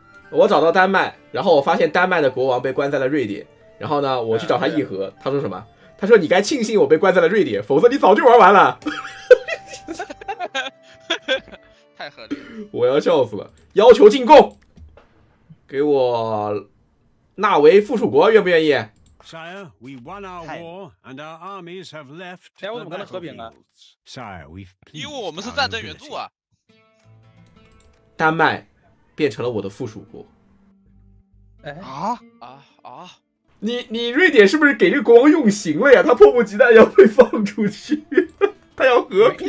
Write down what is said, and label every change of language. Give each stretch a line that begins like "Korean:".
Chinese: 我找到丹麦，然后我发现丹麦的国王被关在了瑞典，然后呢我去找他议和，他说什么，他说你该庆幸我被关在了瑞典，否则你早就玩完了。太合理了，我要笑死了。要求进贡，给我纳为附属国，愿不愿意？
English: Sire, we won our war and our armies have left the battlefield.
Chinese: 我怎么跟他和平了？因为我们是战争援助啊。丹麦变成了我的附属国。哎啊啊啊！你瑞典是不是给这个国王用刑了呀？他迫不及待要被放出去，他要和平。